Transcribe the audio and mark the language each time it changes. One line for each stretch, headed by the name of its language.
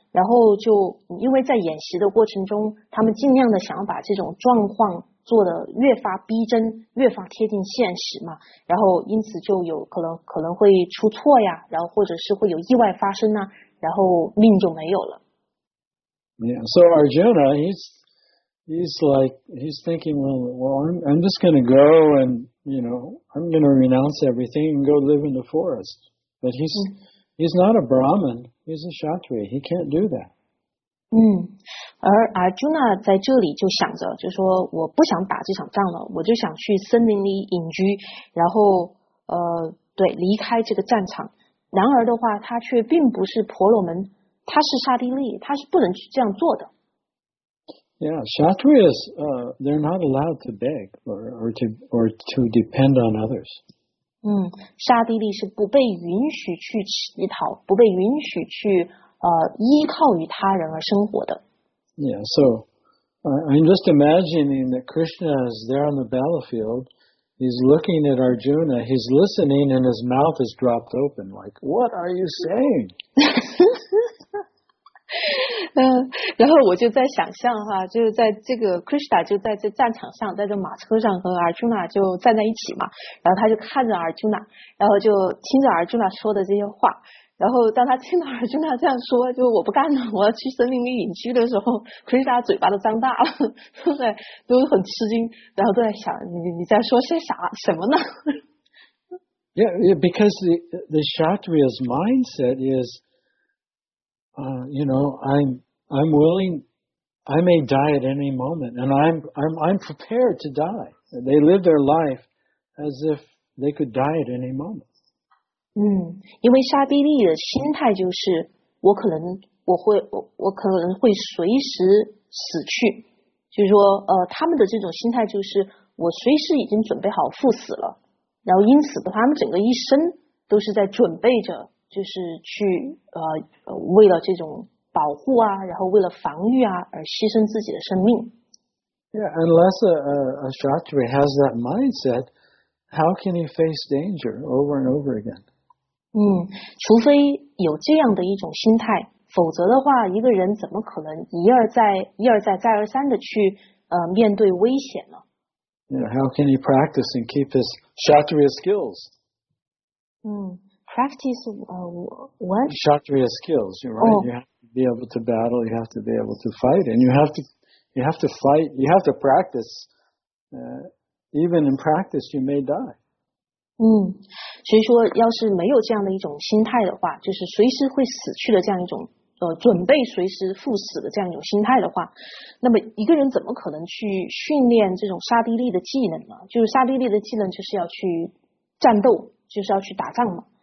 Chinese: 然后就因为在演习的过程中，他们尽量的想要把这种状况做得越发逼真，越发贴近现实嘛。然后因此就有可能会出错呀，然后或者是会有意外发生啊，然后命就没有了。
English: Yeah, so Arjuna, he's thinking, well, I'm just going to go and, you know, I'm going to renounce everything and go live in the forest. But he's、mm-hmm. He's not a Brahmin. He's a Kshatriya. He can't do that.
Chinese: 嗯，而 Arjuna 在这里就想着，就说我不想打这场仗了，我就想去森林里隐居，然后对，离开这个战场。然而的话，他却并不是婆罗门，他是刹帝利，他是不能去这样做的。
English: Yeah, Kshatriyas, they're not allowed to beg or to depend on others.
Chinese: 嗯，沙地利是不被允许去乞讨，不被允许去依靠于他人而生活的。
English: Yeah, so I'm just imagining that Krishna is there on the battlefield. He's looking at Arjuna. He's listening, and his mouth is dropped open. Like, what are you saying?
Chinese: 然后我就在想象哈，就是在这个 Krishna 就在这战场上，在这马车上和 Arjuna 就站在一起嘛，然后他就看着 Arjuna， 然后就听着 Arjuna 说的这些话，然后当他听到 Arjuna 这样说，就我不干了，我要去森林里隐居的时候， Krishna 嘴巴都张大了，对不对？都很吃惊，然后都在想你在说些啥什么呢？
English: Yeah, because the Kshatriya's mindset is. You know, I'm willing, I may die at any moment, and I'm prepared to die. They live their life as if they could die at any moment.
Chinese: 嗯，因为沙帝利的心态就是我可能会随时死去，就是说他们的这种心态就是我随时已经准备好赴死了，然后因此他们整个一生都是在准备着。就是去为了这种保护啊，然后为了防御啊，而牺牲自己的生命。
English: Yeah, unless a Kshatriya has that mindset, how can he face danger over and over again?
Chinese: 嗯，除非有这样的一种心态，否则的话，一个人怎么可能一而再、再而三的去面对危险呢？
English: Yeah, how can he practice and keep his Kshatriya skills? 嗯。Practice what? Kshatriya skills, you're right. Oh. You have to be able to battle, you have to be able to fight, and you have to fight, you have to practice. Even in practice, you may die.
Chinese: 所以说要是没有这样的一种心态的话，就是随时会死去的这样一种准备随时赴死的这样一种心态的话，那么一个人怎么可能去训练这种沙地利的技能呢？就是沙地利的技能就是要去战斗，就是要去打仗嘛。